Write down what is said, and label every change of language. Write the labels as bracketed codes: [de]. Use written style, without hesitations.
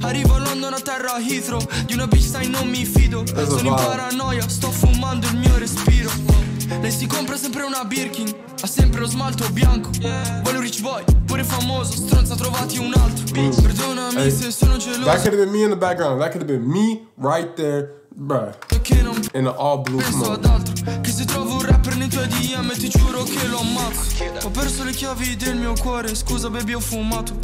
[it] Arrivo a London a terra Heathrow, di una bitch sai non mi fido. Sono in paranoia, sto fumando il mio respiro. Lei si compra sempre una Birkin, ha sempre lo smalto bianco. Voglio [en] rich boy, [it] pure famoso, stronza trovati un altro. Perdonami se sono geloso. [en] That could have been me in the background, that could have been me right there, bruh. In the all blue. [it] Penso ad altro, che se trovo un rapper nei tuoi DM ti giuro che lo ammazzo. Ho perso le chiavi del mio cuore, scusa baby ho fumato.